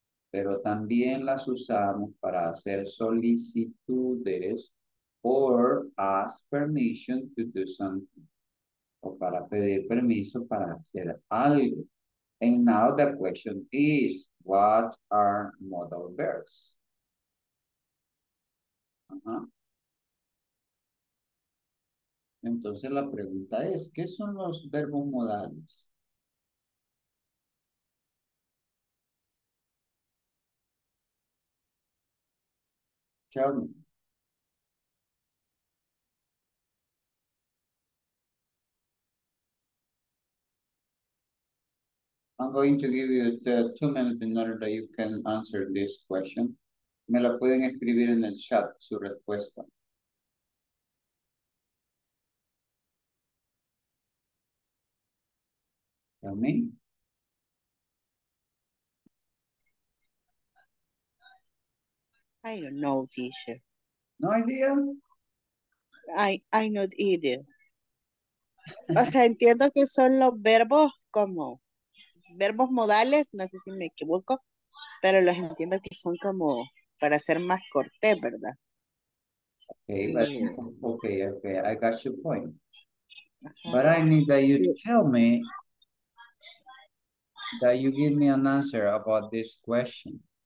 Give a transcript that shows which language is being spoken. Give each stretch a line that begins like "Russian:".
Spanish: Pero también las usamos para hacer solicitudes
English: or ask permission to do something,
Spanish: o para pedir permiso para hacer algo.
English: And now the question is, what are modal verbs? Uh-huh.
Spanish: Entonces la pregunta es, ¿qué son los verbos modales?
English: Tell me. I'm going to give you 2 minutes in order that you can answer this question. Me la pueden escribir en el chat su respuesta. Tell me. I don't know, teacher. No idea? I not either.
Spanish: O sea, entiendo que son los verbos como... Verbos modales, no sé si me equivoco, pero los entiendo que son como para ser más cortés, ¿verdad?
English: Okay, I got your point. But I need that you tell me, that you give me an answer about this question.